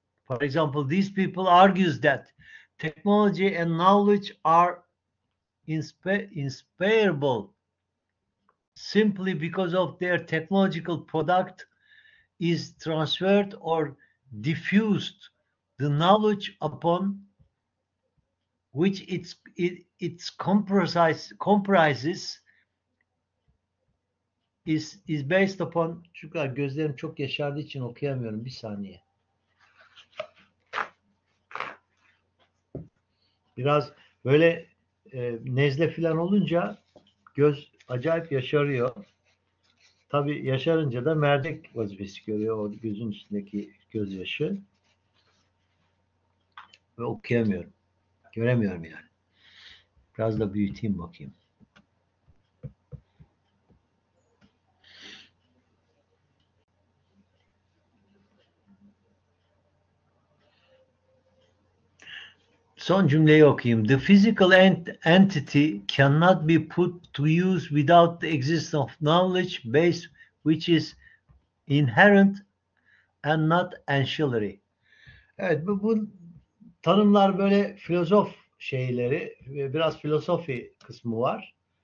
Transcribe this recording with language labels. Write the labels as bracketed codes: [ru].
[en] For example, these people argues that technology and knowledge are inseparable simply because of their technological product is transferred or diffused the knowledge upon which it comprises is based upon. [tr] Çünkü gözlerim çok yaşardığı için okuyamıyorum, bir saniye. Biraz böyle nezle falan olunca göz acayip yaşarıyor. Tabii yaşarınca da mercek vazifesi görüyor o gözün üstündeki gözyaşı. Ve okuyamıyorum. Göremiyorum yani. Biraz da büyüteyim bakayım. Son cümleyi okuyayım. [en] The physical entity cannot be put to use without the existence of knowledge base which is inherent and not ancillary. [tr] Evet, bu tanımlar böyle filozof şeyleri, biraz filosofi kısmı var.